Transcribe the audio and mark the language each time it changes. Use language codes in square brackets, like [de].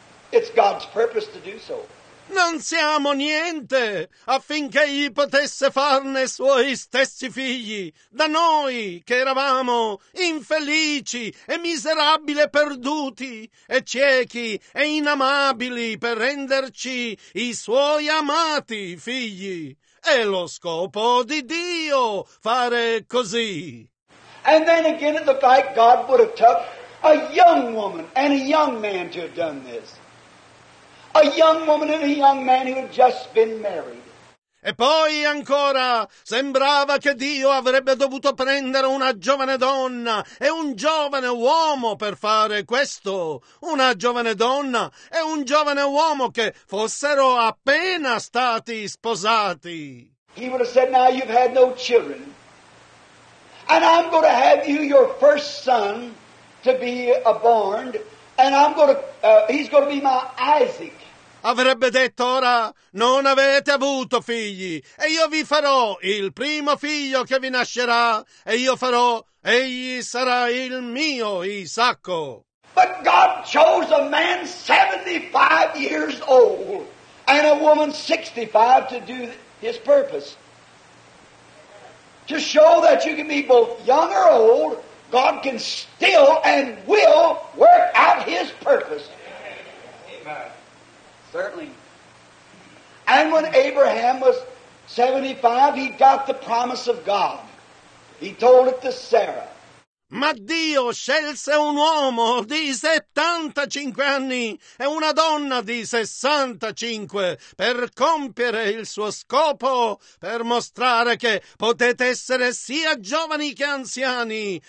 [en] It's God's purpose to do so. [it] Non siamo niente affinché egli potesse farne suoi stessi figli. Da noi che eravamo infelici e miserabili e perduti e ciechi e inamabili per renderci i suoi amati figli. È lo scopo di Dio fare così. [en] And then again it looked like God would have took a young woman and a young man to have done this. A young woman and a young man who had just been married. [it] E poi ancora sembrava che Dio avrebbe dovuto prendere una giovane donna e un giovane uomo per fare questo. Una giovane donna e un giovane uomo che fossero appena stati sposati. [en] He would have said, now you've had no children. And I'm going to have you, your first son, to be a born, and I'm going to, he's going to be my Isaac. [it] Avrebbe detto ora, non avete avuto figli, e io vi farò il primo figlio che vi nascerà, e io farò, egli sarà il mio Isacco. [en] But God chose a man 75 years old, and a woman 65 to do his purpose. To show that you can be both young or old, God can still and will work out His purpose. Amen. Certainly. And when Abraham was 75, he got the promise of God. He told it to Sarah. [it] Ma Dio scelse un uomo di 75 anni e una donna di 65 per compiere il suo scopo, per mostrare che potete essere sia giovani che anziani.